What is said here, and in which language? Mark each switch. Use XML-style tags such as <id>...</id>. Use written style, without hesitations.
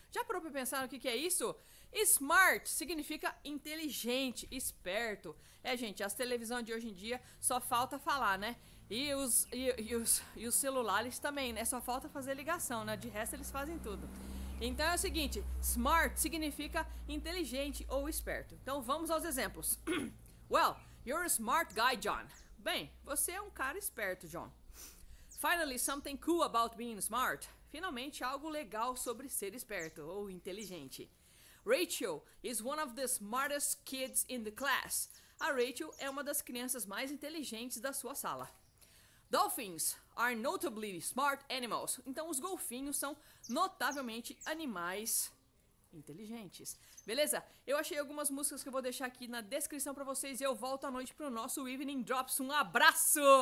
<pt>Já parou para pensar no que é isso? Smart significa inteligente, esperto. É, gente, as televisões de hoje em dia só falta falar, né? E os celulares também, né? Só falta fazer ligação, né? De resto, eles fazem tudo. Então é o seguinte, smart significa inteligente ou esperto. Então vamos aos exemplos.</pt> <en>Well, you're a smart guy, John.</en> <pt>Bem, você é um cara esperto, John.</pt> <en>Finally, something cool about being smart.</en> <pt>Finalmente, algo legal sobre ser esperto ou inteligente.</pt> <en>Rachel is one of the smartest kids in the class.</en> <pt>A Rachel é uma das crianças mais inteligentes da sua sala.</pt> <en>Dolphins are notably smart animals.</en> <pt>Então, os golfinhos são notavelmente animais inteligentes. Beleza? Eu achei algumas músicas que eu vou deixar aqui na descrição pra vocês e eu volto à noite pro nosso Evening Drops. Um abraço!</pt>